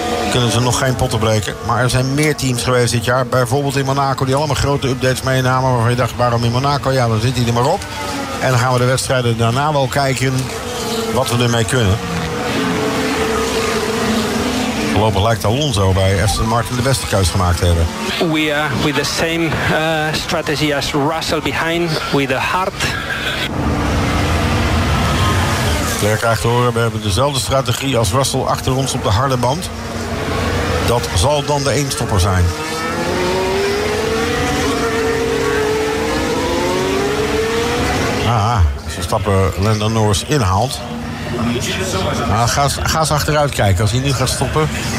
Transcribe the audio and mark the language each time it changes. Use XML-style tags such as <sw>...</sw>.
<nl>Kunnen ze nog geen potten breken. Maar er zijn meer teams geweest dit jaar. Bijvoorbeeld in Monaco die allemaal grote updates meenamen. Waarvan je dacht, waarom in Monaco? Ja, dan zit hij er maar op. En dan gaan we de wedstrijden daarna wel kijken wat we ermee kunnen. Voorlopig lijkt Alonso bij Aston Martin de beste keus gemaakt te hebben.</nl> <en>We are with the same strategy as Russell behind. With a hard.</en> <nl>Leclerc krijgt te horen, we hebben dezelfde strategie als Russell achter ons op de harde band. Dat zal dan de eenstopper zijn. Ah, als Verstappen Lando Norris inhaalt. Ah, ga eens achteruit kijken als hij nu gaat stoppen.</nl>